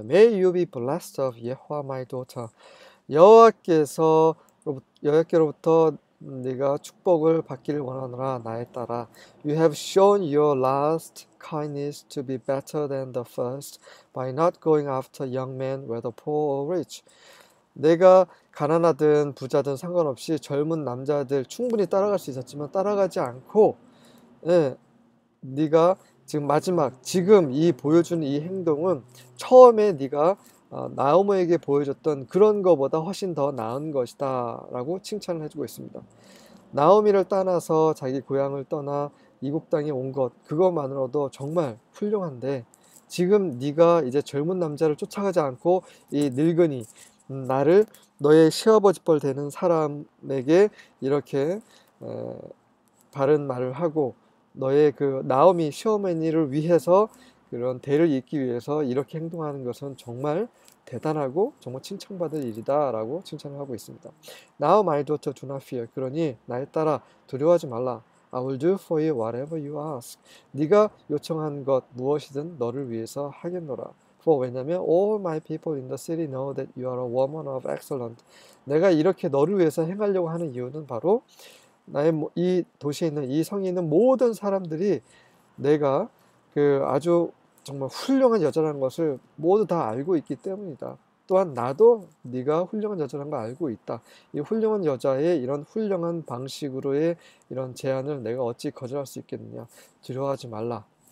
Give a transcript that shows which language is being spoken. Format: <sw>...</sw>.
<en>May you be blessed of Yehovah, my daughter.</en> <ko>여호와께로부터 네가 축복을 받기를 원하노라 나의 딸아.</ko> <en>You have shown your last kindness to be better than the first by not going after young men, whether poor or rich.</en> <ko>내가 가난하든 부자든 상관없이 젊은 남자들 충분히 따라갈 수 있었지만 따라가지 않고, 네가 지금 마지막 지금 이 보여준 이 행동은 처음에 네가 나오미에게 보여줬던 그런 것보다 훨씬 더 나은 것이다라고 칭찬을 해주고 있습니다. 나오미를 떠나서 자기 고향을 떠나 이국 땅에 온것 그것만으로도 정말 훌륭한데 지금 네가 이제 젊은 남자를 쫓아가지 않고 이 늙은이 나를 너의 시아버지뻘 되는 사람에게 이렇게 바른 말을 하고 너의 그 나오미 시어머니를 위해서 그런 대를 잇기 위해서 이렇게 행동하는 것은 정말 대단하고 정말 칭찬받을 일이다라고 칭찬을 하고 있습니다.</ko> <en>Now, my daughter, do not fear.</en> <ko>그러니 나의 딸아, 두려워하지 말라.</ko> <en>I will do for you whatever you ask.</en> <ko>네가 요청한 것 무엇이든 너를 위해서 하겠노라.</ko> <en>For</en> <ko>왜냐면</ko> <en>all my people in the city know that you are a woman of excellent.</en> <ko>내가 이렇게 너를 위해서 행하려고 하는 이유는 바로 나의 이 도시에 있는 이 성에 있는 모든 사람들이 내가 그 아주 정말 훌륭한 여자라는 것을 모두 다 알고 있기 때문이다. 또한 나도 네가 훌륭한 여자라는 걸 알고 있다. 이 훌륭한 여자의 이런 훌륭한 방식으로의 이런 제안을 내가 어찌 거절할 수 있겠느냐? 두려워하지 말라.</ko>